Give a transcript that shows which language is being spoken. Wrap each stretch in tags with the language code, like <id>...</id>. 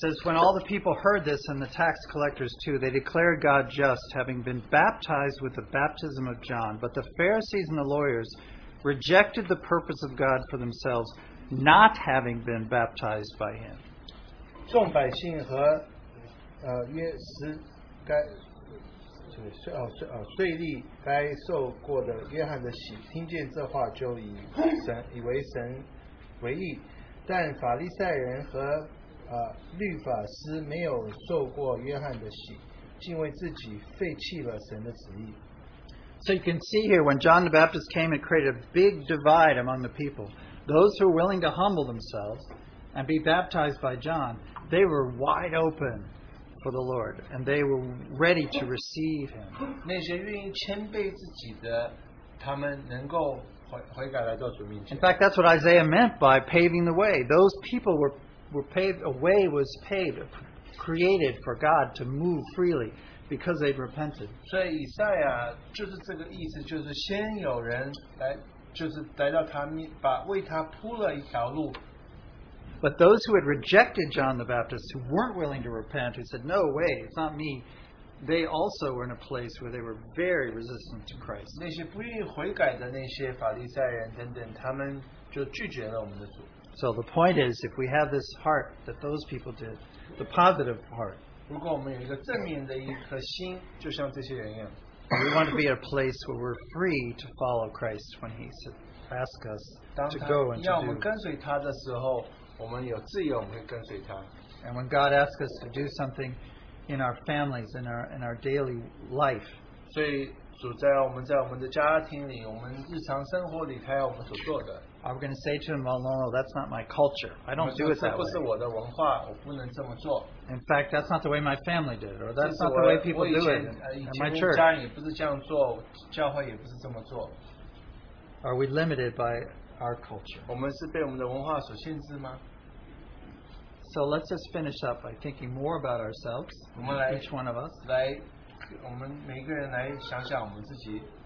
<en>says, when all the people heard this, and the tax collectors too, they declared God just, having been baptized with the baptism of John. But the Pharisees and the lawyers rejected the purpose of God for themselves, not having been baptized by him.</en> <zh>众百姓和约十该税哦税哦税吏该受过的约翰的洗，听见这话就以神以为神为义，但法利赛人和律法师没有受过约翰的洗，竟为自己废弃了神的旨意。</zh> <en>So you can see here, when John the Baptist came, it created a big divide among the people. Those who were willing to humble themselves and be baptized by John, they were wide open for the Lord, and they were ready to receive him.</en> <zh>那些愿意谦卑自己的，他们能够悔改来到主面前。</zh> <en>In fact, that's what Isaiah meant by paving the way. Those people were paved, a way was paved, created for God to move freely because they'd repented.</en> <zh>所以以赛亚就是这个意思，就是先有人来，就是来到他面，把为他铺了一条路。</zh> <en>But those who had rejected John the Baptist, who weren't willing to repent, who said, no way, it's not me, they also were in a place where they were very resistant to Christ.</en> <zh>那些不愿意悔改的那些法利赛人等等，他们就拒绝了我们的主。</zh> <en>So the point is, if we have this heart that those people did, the positive heart,</en> <zh>如果我们有一个正面的一颗心，就像这些人一样。</zh> <en>We want to be at a place where we're free to follow Christ when he asks us to go and to do.</en> <zh>要我们跟随他的时候，我们有自由，我们会跟随他。</zh> <en>And when God asks us to do something in our families, in our daily life,</en> <zh>所以主在我们在我们的家庭里，我们日常生活里，他要我们所做的。</zh> <en>I'm going to say to him, "Well, no, no, that's not my culture. I don't do it that way."</en> <zh>这不是我的文化，我不能这么做。</zh> <en>In fact, that's not the way my family did, or that's not the way people do it. In my church,</en> <zh>家人也不是这样做，教会也不是这么做。</zh> <en>Are we limited by our culture?</en> <zh>我们是被我们的文化所限制吗？</zh> <en>So let's just finish up by thinking more about ourselves, each one of us.</en> <zh>来，我们每个人来想想我们自己。</zh>